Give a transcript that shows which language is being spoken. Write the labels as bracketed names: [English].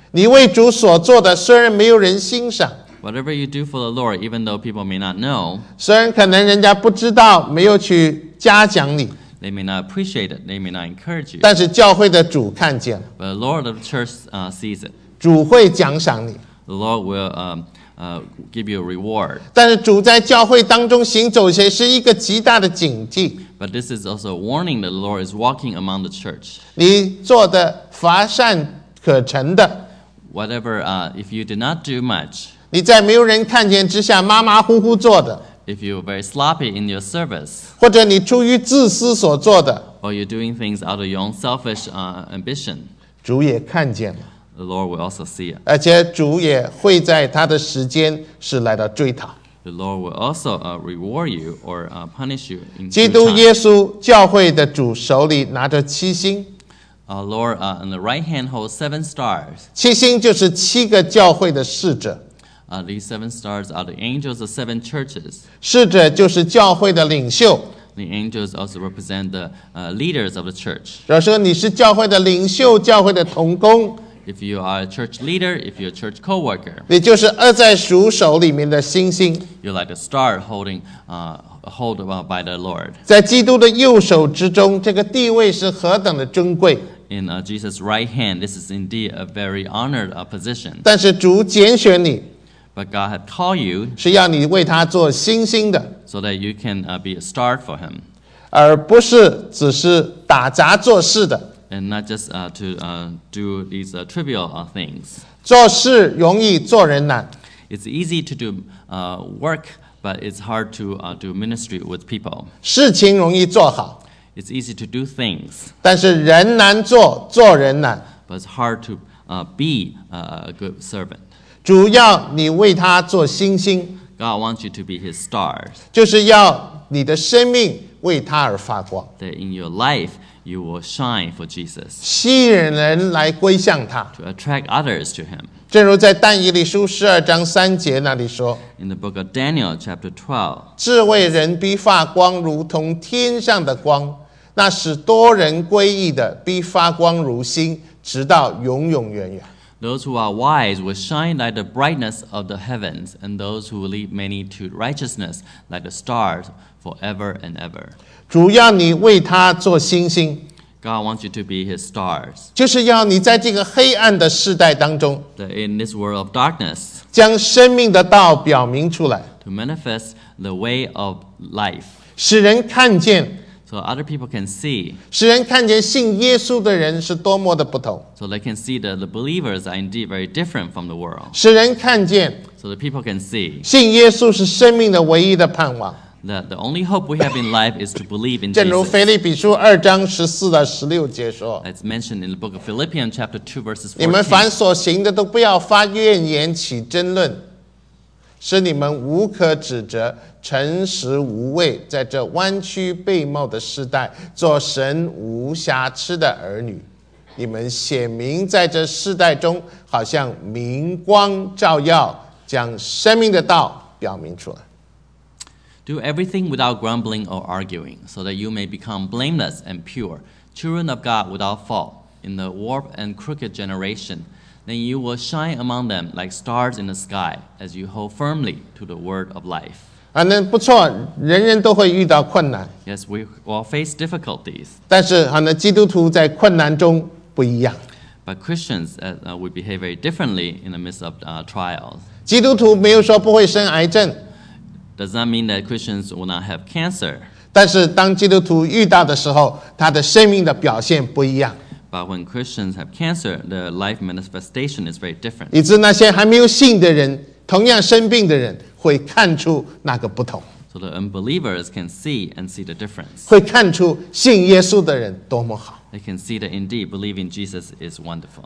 [Chinese] 你为主所做的虽然没有人欣赏。 [English] Whatever you do for the Lord, even though people may not know. [Chinese] 虽然可能人家不知道没有去嘉奖你。 [English] They may not appreciate it, they may not encourage you. [Chinese] 但是教会的主看见。 [English] But the Lord of the church sees it. [Chinese] 主会奖赏你。 [English] The Lord will give you a reward. [Chinese] 但是主在教会当中行走时是一个极大的警惕。 [English] But this is also a warning that the Lord is walking among the church. [Chinese] 你做的乏善可陈的。 [English] Whatever, if you did not do much. [Chinese] 你在没有人看见之下马马虎虎做的。 [English] If you were very sloppy in your service. [Chinese] 或者你出于自私所做的。 [English] Or you're doing things out of your own selfish ambition. [Chinese] 主也看见了。 [English] The Lord will also see it. [Chinese] 而且主也会在他的时间是来到追他。 [English] The Lord will also reward you or punish you. [Chinese] 基督耶稣教会的主手里拿着七星。 [English] Lord, in the right hand holds seven stars. [Chinese] 七星就是七个教会的使者。 [English] These seven stars are the angels of seven churches. [Chinese] 使者就是教会的领袖。 [English] The angels also represent the leaders of the church. [Chinese] 若说你是教会的领袖，教会的同工。 [English] If you are a church leader, if you're a church co-worker, [Chinese] 你就是握在主手里面的星星。 [English] You're like a star holding, held by the Lord. [Chinese] 在基督的右手之中，这个地位是何等的尊贵。 [English] in Jesus' right hand, this is indeed a very honored position. [Chinese] 但是主拣选你。 [English] But God had called you, [Chinese] 是要你为他做星星的。 [English] So that you can be a star for him. [Chinese] 而不是只是打杂做事的。 [English] And not just do these trivial things. [Chinese] 做事容易做人难。 [English] It's easy to do work, but it's hard to do ministry with people. [Chinese] 事情容易做好。 [English] It's easy to do things. [Chinese] 但是人难做，做人难。 [English] But it's hard to be a good servant. [Chinese] 主要你为他做星星。 [English] God wants you to be his stars. [Chinese] 就是要你的生命为他而发光。 [English] That in your life, you will shine for Jesus. [Chinese] 吸引人来归向他。 [English] To attract others to him. [Chinese] 正如在但以理书十二章三节那里说。 [English] In the book of Daniel, chapter 12. [Chinese] 智慧人必发光如同天上的光。那使多人归义的必发光如星直到永永远远。 [English] Those who are wise will shine like the brightness of the heavens, and those who lead many to righteousness like the stars forever and ever. [Chinese] 主要你为他做星星。 [English] God wants you to be his stars. [Chinese] 就是要你在这个黑暗的世代当中。 [English] That in this world of darkness, [Chinese] 将生命的道表明出来。 [English] To manifest the way of life. [Chinese] 使人看见。 [English] So other people can see. [Chinese] 使人看见信耶稣的人是多么的不同。 [English] So they can see that the believers are indeed very different from the world. [Chinese] 使人看见。 [English] So the people can see. [Chinese] 信耶稣是生命的唯一的盼望。 [English] That the only hope we have in life is to believe in Jesus. [Chinese] 正如腓立比书二章十四到十六节说。 [English] It's mentioned in the book of Philippians chapter 2 verses 14. [Chinese] 你们凡所行的都不要发怨言起争论。使你们无可指责，诚实无畏，在这弯曲背貌的时代，做神无瑕疵的儿女。你们显明在这时代中，好像明光照耀，将生命的道表明出来。 [English] Do everything without grumbling or arguing, so that you may become blameless and pure, children of God without fault, in the warped and crooked generation. Then you will shine among them like stars in the sky as you hold firmly to the word of life. [Chinese] 啊，那不错，人人都会遇到困难。 [English] Yes, we all face difficulties. [Chinese] 但是，好呢，基督徒在困难中不一样。 [English] But Christians, we behave very differently in the midst of trials. [Chinese] 基督徒没有说不会生癌症。 [English] Does that mean that Christians will not have cancer? [Chinese] 但是，当基督徒遇到的时候，他的生命的表现不一样。 [English] But when Christians have cancer, the life manifestation is very different. [Chinese] 以致那些还没有信的人，同样生病的人，会看出那个不同。 [English] So the unbelievers can see and see the difference. [Chinese] 会看出信耶稣的人多么好。 [English] They can see that indeed believing Jesus is wonderful.